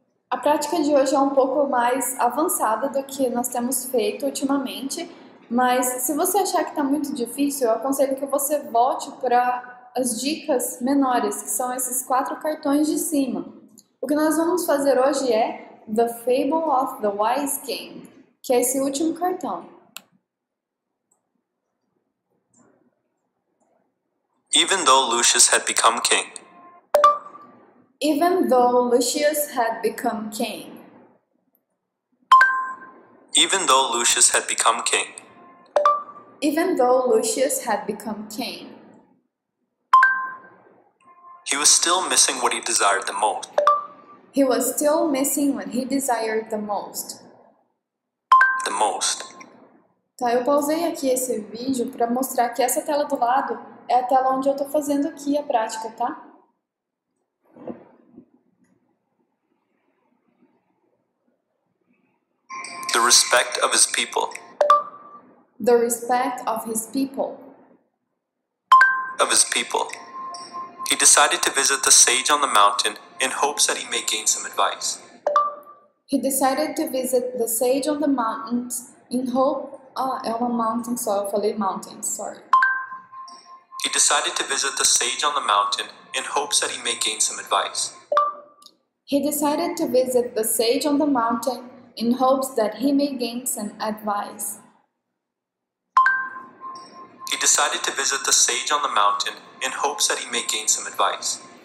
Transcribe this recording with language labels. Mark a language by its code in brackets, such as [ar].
[pt] A prática de hoje é um pouco mais avançada do que nós temos feito ultimamente, mas se você achar que está muito difícil, eu aconselho que você volte para as dicas menores, que são esses quatro cartões de cima. O que nós vamos fazer hoje é The Fable of the Wise King, que é esse último cartão. [en] Even though Lucius had become king. Even though Lucius had become king. Even though Lucius had become king. Even though Lucius had become king. He was still missing what he desired the most. He was still missing what he desired the most. The most. [pt] Tá, eu pausei aqui esse vídeo para mostrar que essa tela do lado é a tela onde eu estou fazendo aqui a prática, tá? [en] The respect of his people. The respect of his people. Of his people. He decided to visit the sage on the mountain in hopes that he may gain some advice. He decided to visit the sage on the mountains in hope. [pt] Ah, é uma mountain, só eu falei mountain, sorry. [en] He decided to visit the sage on the mountain in hopes that he may gain some advice. He decided to visit the sage on the mountain in hopes that he may gain some advice. He decided to visit the sage on the mountain in hopes that he may gain some advice.